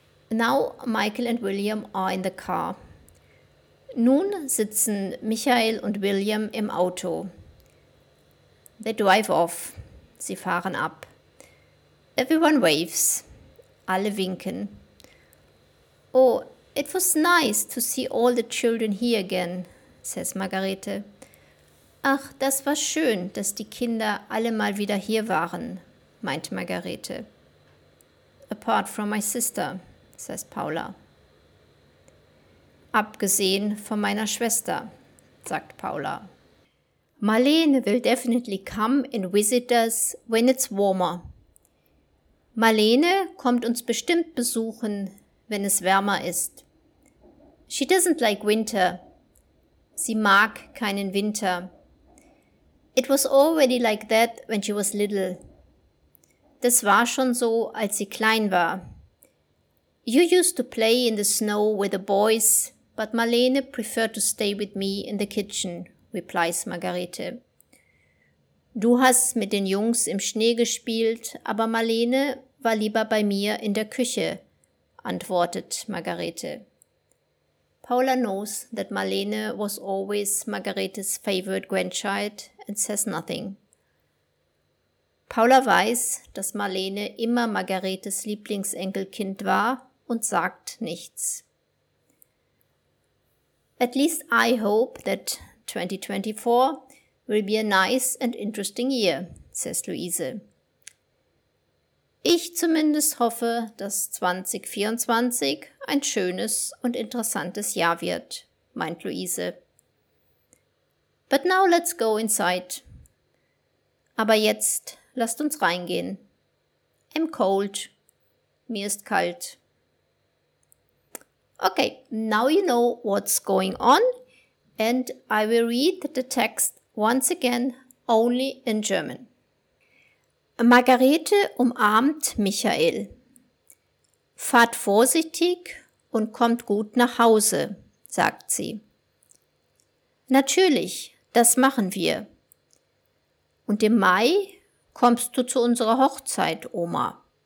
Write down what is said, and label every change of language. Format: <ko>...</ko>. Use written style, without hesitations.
<en>Now Michael and William are in the car.</en> <de>Nun sitzen Michael und William im Auto.</de> <en>They drive off.</en> <de>Sie fahren ab.</de> <en>Everyone waves.</en> <de>Alle winken.</de> <en>Oh, it was nice to see all the children here again, says Margarete.</en> <de>Ach, das war schön, dass die Kinder alle mal wieder hier waren, meint Margarete.</de> <en>Apart from my sister, says Paula.</en> <de>Abgesehen von meiner Schwester, sagt Paula.</de> <en>Marlene will definitely come and visit us when it's warmer.</en> <de>Marlene kommt uns bestimmt besuchen, wenn es wärmer ist.</de> <en>She doesn't like winter.</en> <de>Sie mag keinen Winter.</de> <en>It was already like that when she was little.</en> <de>Das war schon so, als sie klein war.</de> <en>You used to play in the snow with the boys, but Marlene preferred to stay with me in the kitchen, replies Margarete.</en> <de>Du hast mit den Jungs im Schnee gespielt, aber Marlene war lieber bei mir in der Küche, antwortet Margarete.</de> <en>Paula knows that Marlene was always Margaretes favorite grandchild and says nothing.</en> <de>Paula weiß, dass Marlene immer Margaretes Lieblingsenkelkind war und sagt nichts.</de> <en>At least I hope that 2024 will be a nice and interesting year, says Luise.</en> <de>Ich zumindest hoffe, dass 2024 ein schönes und interessantes Jahr wird, meint Luise.</de> <en>But now let's go inside.</en> <de>Aber jetzt lasst uns reingehen.</de> <en>I'm cold.</en> <de>Mir ist kalt.</de> <en>Okay, now you know what's going on and I will read the text once again only in German.</en> <de>Margarete umarmt Michael. Fahrt vorsichtig und kommt gut nach Hause, sagt sie. Natürlich, das machen wir. Und im Mai kommst du zu unserer Hochzeit, Oma.</de>